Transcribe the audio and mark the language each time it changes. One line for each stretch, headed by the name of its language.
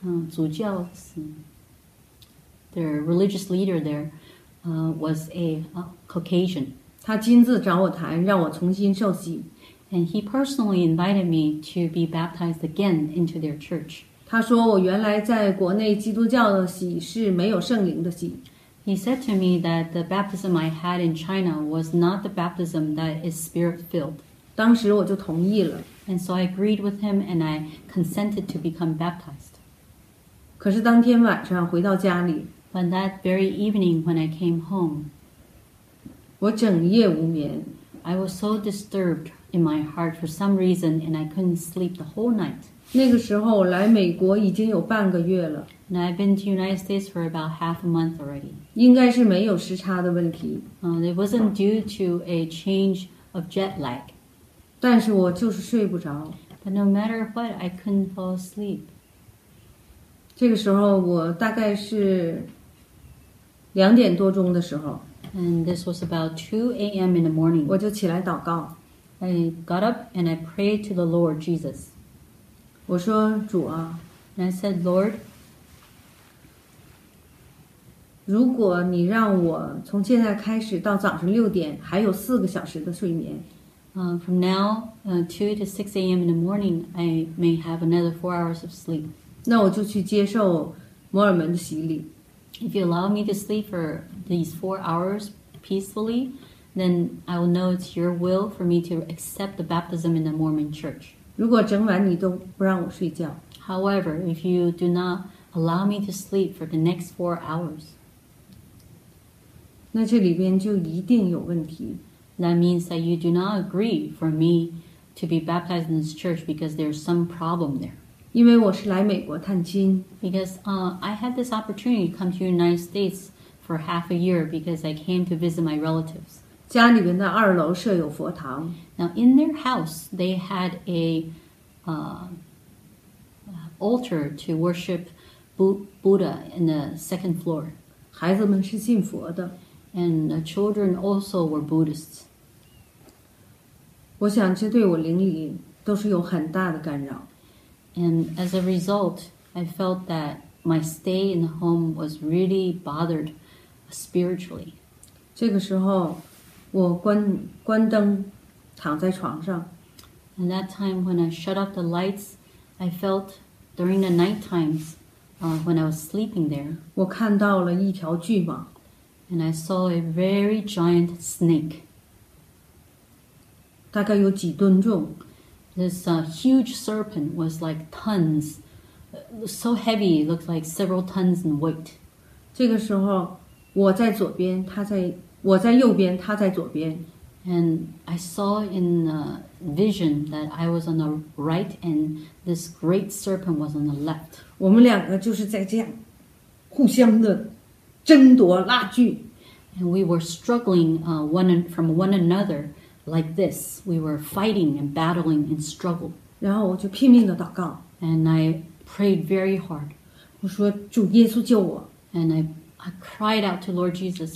Chinese: 主教是
English: their religious leader there, was a Caucasian.
Chinese: 他亲自找我谈，让我重新受洗。
English: And he personally invited me to be baptized again into their church.
Chinese: 他说我原来在国内基督教的洗是没有圣灵的洗。
English: He said to me that the baptism I had in China was not the baptism that is spirit-filled.
Chinese: 当时我就同意了。
English: And so I agreed with him and I consented to become baptized.
Chinese: 可是当天晚上回到家里。
English: But that very evening when I came home,
Chinese: 我整夜无眠。
English: I was so disturbed. in my heart for some reason, and I couldn't sleep the whole night.
Chinese: 那个时候来美国已经有半个月了。
English: And I've been to United States for about half a month already.
Chinese: 应该是没有时差的问题。
English: It wasn't due to a change of jet lag.
Chinese: 但是我就是睡不着。
English: But no matter what, I couldn't fall asleep.
Chinese: 这个时候我大概是两点多钟的时候。
English: And this was about 2 a.m. in the morning.
Chinese: 我就起来祷告。
English: I got up and I prayed to the Lord Jesus.
Chinese: 我说主啊。
English: And I said, Lord,
Chinese: 如果你让我从现在开始到早上六点还有四个小时的睡眠
English: From now 2 to 6 a.m. in the morning I may have another 4 hours of sleep
Chinese: 那我就去接受摩尔门的洗礼
English: If you allow me to sleep for these 4 hours peacefully then I will know it's your will for me to accept the baptism in the Mormon church
Chinese: 如果整晚你都不让我睡觉
English: However, if you do not allow me to sleep for the next 4 hours
Chinese: 那这里边就一定有问题。
English: That means that you do not agree for me to be baptized in this church because there's some problem there.
Chinese: 因为我是来美国探亲。
English: Because I had this opportunity to come to the United States for half a year because I came to visit my relatives.
Chinese: 家里边的二楼设有佛堂。
English: Now in their house, they had a altar to worship Buddha in the second floor.
Chinese: 孩子们是信佛的。
English: And the children also were Buddhists.
Chinese: 我想这对我灵里都是有很大的干扰。
English: And as a result, I felt that my stay in the home was really bothered spiritually.
Chinese: 这个时候我关灯躺在床上。
English: And that time when I shut off the lights, I felt during the night times, when I was sleeping there.
Chinese: 我看到了一条巨蟒。
English: And I saw a very giant snake.
Chinese: 大概有几吨重。
English: This huge serpent was like tons, so heavy, it looked like several tons in weight.
Chinese: 这个时候，我在右边，他在左边。
English: And I saw in a vision that I was on the right and this great serpent was on the left.
Chinese: 我们两个就是在这样，互相的。争夺拉锯
English: And we were struggling from one another like this. We were fighting and battling and struggle.
Chinese: 然后我就拼命地祷告
English: And I prayed very hard.
Chinese: 我说主耶稣救我
English: And I cried out to Lord Jesus.